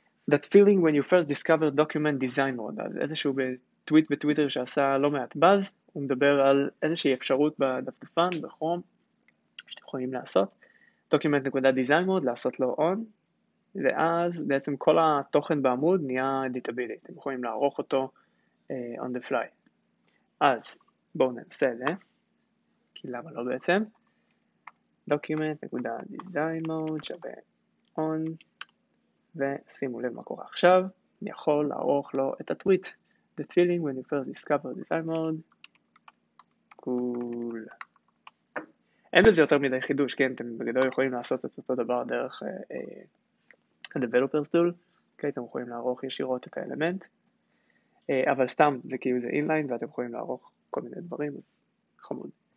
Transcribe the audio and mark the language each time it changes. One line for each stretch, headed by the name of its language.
English: That feeling when you first discover document design mode,
Hebrew: אז איזשהו בטוויט בטוויטר שעשה לא מעט בז, הוא מדבר על איזושהי אפשרות בדפדפן, בחום, שאתם יכולים לעשות, document.design mode, לעשות לו on, ואז בעצם כל התוכן בעמוד נהיה editability, אתם יכולים לערוך אותו
English: on the fly.
Hebrew: אז בואו ננסה את זה, כי למה לא בעצם? document.designMode שווה on, ושימו לב מה קורה עכשיו, אני יכול לערוך לו את הטוויט.
English: The feeling when you first discover design mode, cool.
Hebrew: אין בזה יותר מדי חידוש, כן, אתם בגדול יכולים לעשות את אותו דבר דרך ה-developers tool, כן, אתם יכולים לערוך ישירות את האלמנט, אבל סתם זה כאילו זה אינליין, ואתם יכולים לערוך כל מיני דברים, חמוד.